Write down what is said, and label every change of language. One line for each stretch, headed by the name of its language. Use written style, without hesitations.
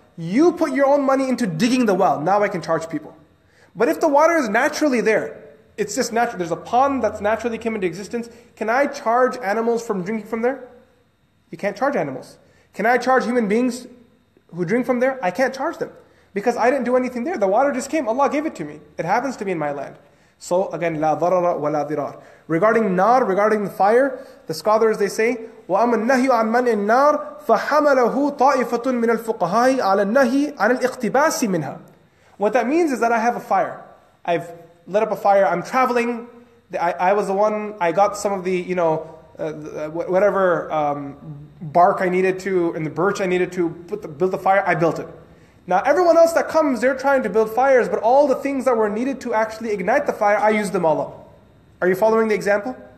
English: You put your own money into digging the well. Now I can charge people. But if the water is naturally there, it's just natural. There's a pond that's naturally came into existence. Can I charge animals from drinking from there? You can't charge animals. Can I charge human beings who drink from there? I can't charge them. Because I didn't do anything there. The water just came. Allah gave it to me. It happens to be in my land. So again,
Arabic: لا ضرر ولا ضرار.
English: Regarding nar, regarding the fire, the scholars, they say,
Arabic: وَأَمَا النَّهِي عَنْ مَنْ النَّارِ فَحَمَلَهُ طَائِفَةٌ مِنَ الْفُقَهَاءِ عَلَى النَّهِي عَنَ الْإِقْتِبَاسِ مِنْهَا.
English: What that means is that I have a fire. I've lit up a fire. I'm traveling. I was the one, I got some of the, you know, whatever bark I needed to, and the birch I needed to build the fire, I built it. Now everyone else that comes, they're trying to build fires, but all the things that were needed to actually ignite the fire, I used them all up. Are you following the example?